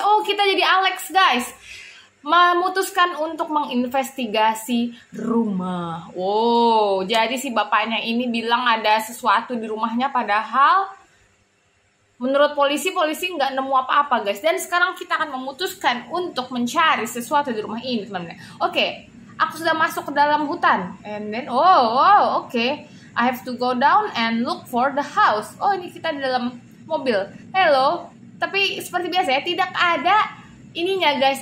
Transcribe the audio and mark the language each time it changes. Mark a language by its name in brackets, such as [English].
[Indonesian] Oh, kita jadi Alex, guys. Memutuskan untuk menginvestigasi rumah. Oh, jadi si bapaknya ini bilang ada sesuatu di rumahnya, padahal menurut polisi nggak nemu apa-apa, guys. Dan sekarang kita akan memutuskan untuk mencari sesuatu di rumah ini, teman-teman. Oke. Okay. Aku sudah masuk ke dalam hutan. [English] And then, okay. I have to go down and look for the house. [Indonesian] Oh, ini kita di dalam mobil. Hello. Tapi seperti biasa ya, tidak ada ininya, guys.